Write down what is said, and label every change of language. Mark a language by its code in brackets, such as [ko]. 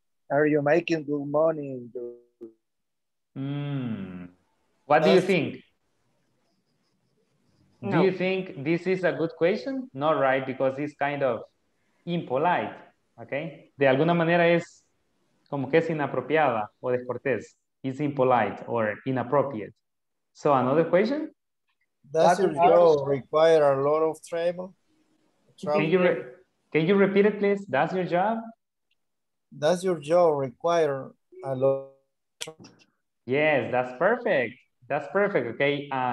[en] Are you making good money in the... What do you think? No. Do you think this is a good question? Not right, because it's kind of impolite, okay? [es] De alguna manera es como que es inapropiada o descortés. [en] It's impolite or inappropriate. So another question? Does your job require a lot of travel? Can you repeat it, please? Does your job? Does your job require a lot? Yes, that's perfect. That's perfect. Okay.